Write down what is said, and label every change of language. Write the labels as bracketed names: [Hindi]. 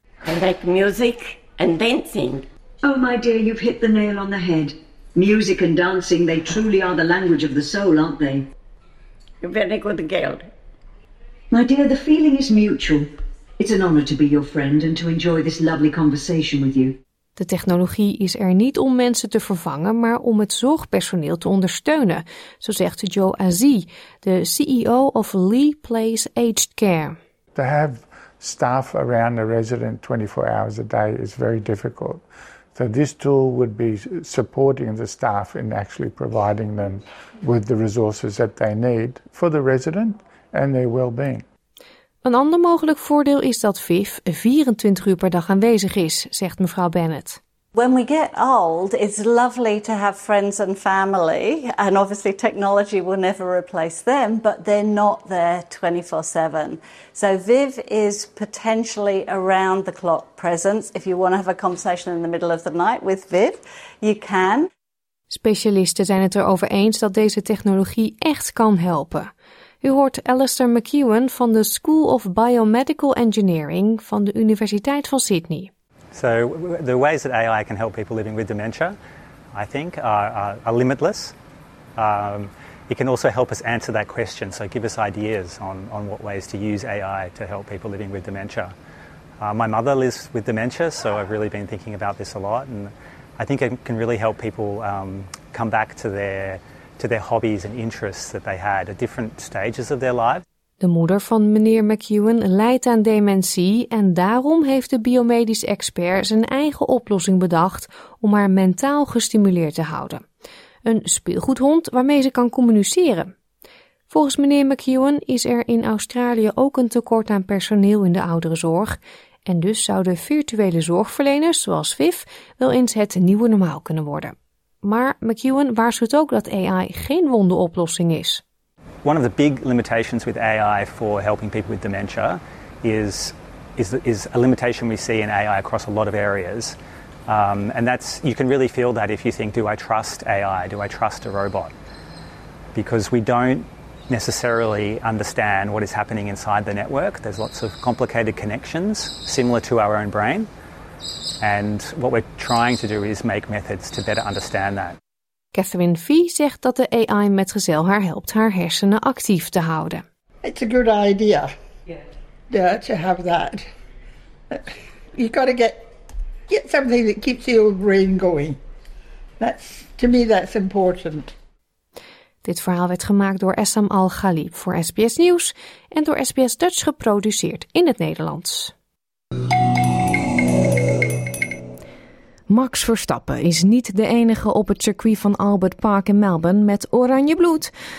[English] I like music and dancing. Oh my dear, you've hit the nail on the head. Music and dancing, they truly are the language of the soul, aren't they? You're very good, Gail. My dear, the feeling is mutual. It's an honor to be your friend and to enjoy this lovely conversation with you. [Dutch] De technologie is er niet om mensen te vervangen, maar om het zorgpersoneel te ondersteunen, zo zegt Joe Azee, de CEO of Lee Place Aged Care. [English] To have staff around a resident 24 hours a day is very difficult. So this tool would be supporting the staff in actually providing them with the resources that they need for the resident and their well-being. [Dutch] Een ander mogelijk voordeel is dat VIF 24 uur per dag aanwezig is, zegt mevrouw Bennett. [English] When we get old, it's lovely to have friends and family, and obviously technology will never replace them, but they're not there 24/7. So VIV is potentially around the clock presence. If you want to have a conversation in the middle of the night with VIV, you can. [Dutch] Specialisten zijn het erover eens dat deze technologie echt kan helpen. U hoort Alistair McEwen van de School of Biomedical Engineering van de Universiteit van Sydney. [English] So the ways that AI can help people living with dementia, I think, are limitless. It can also help us answer that question, so give us ideas on what ways to use AI to help people living with dementia. My mother lives with dementia, so I've really been thinking about this a lot, and I think it can really help people come back to their hobbies and interests that they had at different stages of their lives. [Dutch] De moeder van meneer McEwen lijdt aan dementie en daarom heeft de biomedisch expert zijn eigen oplossing bedacht om haar mentaal gestimuleerd te houden. Een speelgoedhond waarmee ze kan communiceren. Volgens meneer McEwen is er in Australië ook een tekort aan personeel in de ouderenzorg en dus zouden virtuele zorgverleners zoals VIF wel eens het nieuwe normaal kunnen worden. Maar McEwen waarschuwt ook dat AI geen wonderoplossing is. [English] One of the big limitations with AI for helping people with dementia is a limitation we see in AI across a lot of areas. And that's, you can really feel that if you think, do I trust AI? Do I trust a robot? Because we don't necessarily understand what is happening inside the network. There's lots of complicated connections similar to our own brain. And what we're trying to do is make methods to better understand that. [Dutch] Catherine Fee zegt dat de AI metgezel haar helpt haar hersenen actief te houden. [English] It's a good idea. Yeah. To have that. You got to get something that keeps your brain going. That's important. [Dutch] Dit verhaal werd gemaakt door Essam Al Ghalib voor SBS Nieuws en door SBS Dutch geproduceerd in het Nederlands. Max Verstappen is niet de enige op het circuit van Albert Park in Melbourne met oranje bloed.